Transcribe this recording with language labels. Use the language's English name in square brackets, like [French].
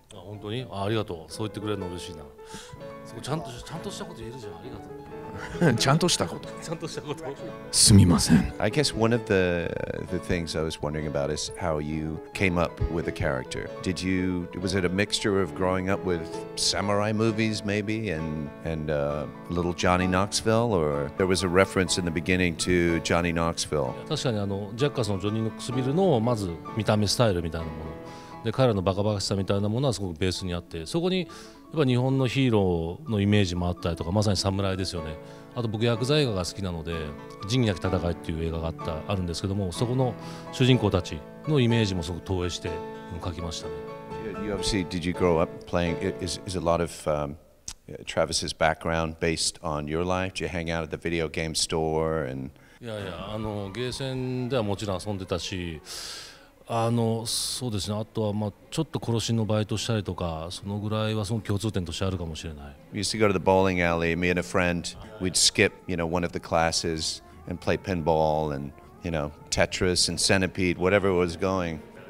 [English] I guess one of the things I was wondering about is how you came up with a character. Was it a mixture of growing up with samurai movies maybe and little Johnny Knoxville, or there was a reference in the beginning to Johnny Knoxville? [Japanese] 確かにジャッカスのジョニー・ノックスビルのまず見た目スタイルみたいなもの。で彼らのバカバカしさみたいなものはすごくベースにあって、そこにやっぱ日本のヒーローのイメージもあったりとか、まさに侍ですよね。あと僕薬剤映画が好きなので、仁義なき戦いっていう映画があったあるんですけども、そこの主人公たちのイメージもすごく投影して描きましたね。 [English] You obviously, did you grow up playing, is a lot of Travis's background based on your life? Did you hang out at the video game store? And [Japanese] いやゲーセンではもちろん遊んでたし、そうですね、あとはまあちょっと殺しのバイトしたりとか、そのぐらいはその共通点としてあるかもしれない。 [English] We used to go to the bowling alley, me and a friend. We'd skip, you know, one of the classes and play pinball and, you know, Tetris and Centipede, whatever was going.